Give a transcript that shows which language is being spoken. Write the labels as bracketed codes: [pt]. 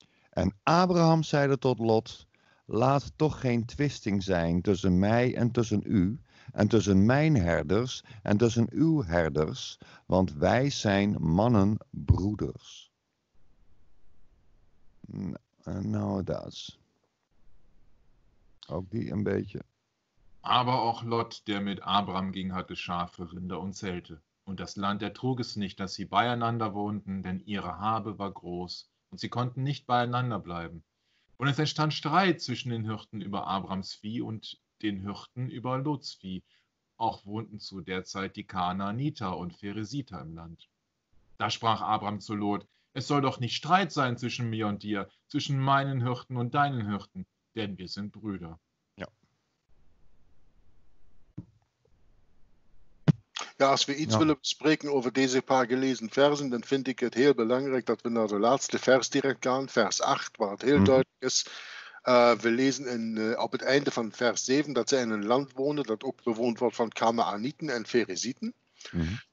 [nl] En Abraham zeide tot Lot, laat toch geen twisting zijn tussen mij en tussen u, en tussen mijn herders en tussen uw herders, want wij zijn mannenbroeders. Nou, dat is ook die een beetje... [de] Aber auch Lot, der mit Abraham ging, hatte Schafe, Rinder und Zelte. Und das Land ertrug es nicht, dass sie beieinander wohnten, denn ihre Habe war groß, und sie konnten nicht beieinander bleiben. Und es entstand Streit zwischen den Hirten über Abrahams Vieh und den Hirten über Lots Vieh. Auch wohnten zu der Zeit die Kanaaniter und Ferezita im Land. Da sprach Abraham zu Lot, es soll doch nicht Streit sein zwischen mir und dir, zwischen meinen Hirten und deinen Hirten, denn wir sind Brüder. [nl] Ja, als wir iets willen bespreken over deze paar gelezen versen, dan vind ik het heel belangrijk dat we naar de laatste vers direct gaan, vers 8, waar het heel duidelijk is. We lezen op het einde van vers 7 dat ze in een land wonen dat ook bewoond wordt van Canaanieten en Ferezieten. Mm-hmm.